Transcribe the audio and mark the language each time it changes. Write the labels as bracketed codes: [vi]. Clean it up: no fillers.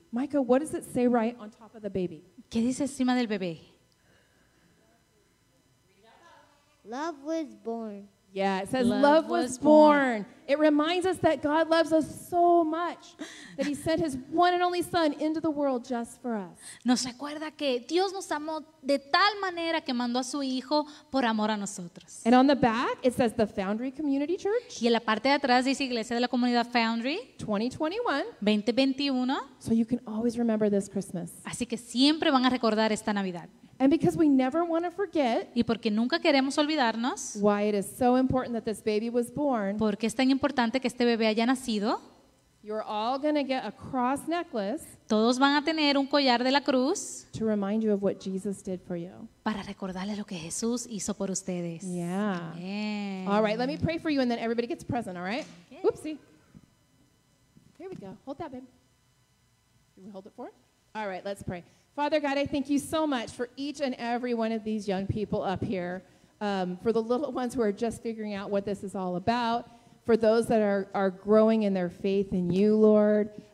[en] Micah, what does it say right on top of the baby? [es] ¿Qué dice encima del bebé? [en] Love was born. Yeah, it says love was born. It reminds us that God loves us so much that he sent his one and only son into the world just for us. [es] Nos recuerda que Dios nos amó de tal manera que mandó a su hijo por amor a nosotros. [en] And on the back, it says the Foundry Community Church. [es] Y en la parte de atrás dice Iglesia de la Comunidad Foundry. [en] 2021. So you can always remember this Christmas. [es] Así que siempre van a recordar esta Navidad. [en] And because we never want to forget, [es] y porque nunca queremos olvidarnos, [en] why it is so important that this baby was born, [es] porque es tan importante que este bebé haya nacido, [en] you're all going to get a cross necklace, [es] todos van a tener un collar de la cruz, [en] to remind you of what Jesus did for you, [es] para recordarles lo que Jesús hizo por ustedes. [en] Yeah. Amen. All right, let me pray for you and then everybody gets a present, all right? Okay. Oopsie. Here we go. Hold that, babe. Can we hold it for him? All right, let's pray. Father God, I thank you so much for each and every one of these young people up here, for the little ones who are just figuring out what this is all about, for those that are growing in their faith in you, Lord.